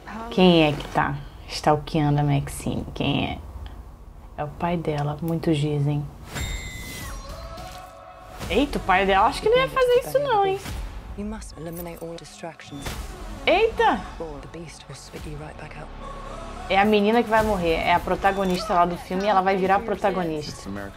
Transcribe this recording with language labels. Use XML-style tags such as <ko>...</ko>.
<pt>Quem é que tá stalkeando a Maxine? Quem é? É o pai dela, muitos dizem. Eita, o pai dela acho que não ia fazer isso não, hein?</pt> <en>You must eliminate all distractions. Eita! The beast will spit you right back out.</en> <pt>É a menina que vai morrer. É a protagonista lá do filme e ela vai virar a protagonista.</pt>